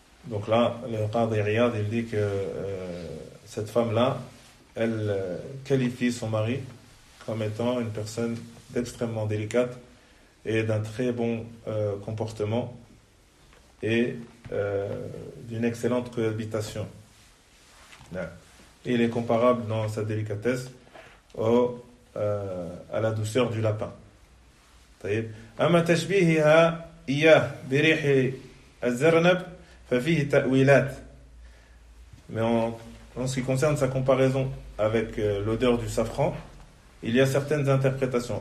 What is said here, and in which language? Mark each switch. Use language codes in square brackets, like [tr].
[fr] Donc là, le قاضي عياض il dit que cette femme-là, elle qualifie son mari comme étant une personne d'extrêmement délicate et d'un très bon comportement et d'une excellente cohabitation. Il est comparable dans sa délicatesse à la douceur du lapin. [ar] أما تشبيهها إياه بريح الزرنب ففيه تأويلات. [fr] Mais en ce qui concerne sa comparaison avec l'odeur du safran, il y a certaines interprétations.